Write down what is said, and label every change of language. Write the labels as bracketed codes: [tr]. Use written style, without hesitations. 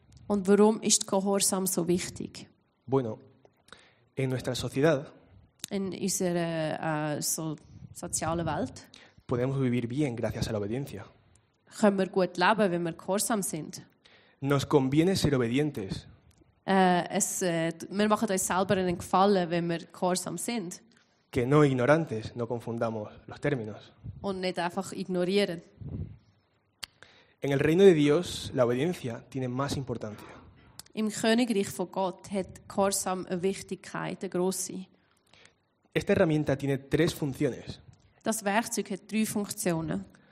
[de] Und warum ist Gehorsam so wichtig? [es] Bueno, en nuestra sociedad. [de] In unserer sozialen Welt. [es] Podemos vivir bien gracias a la obediencia. [de] Können wir gut leben, wenn wir gehorsam sind. [es] Nos conviene ser obedientes. [de] Wir machen uns selber einen Gefallen, wenn wir gehorsam sind. [es] Que no ignorantes, no confundamos los términos. [de] Und nicht einfach ignorieren. [es] En el reino de Dios, la obediencia tiene más importancia. [de] Im Königreich von Gott hat Gehorsam eine Wichtigkeit, eine grosse. [es] Esta herramienta tiene tres funciones. [de] Das Werkzeug hat drei Funktionen.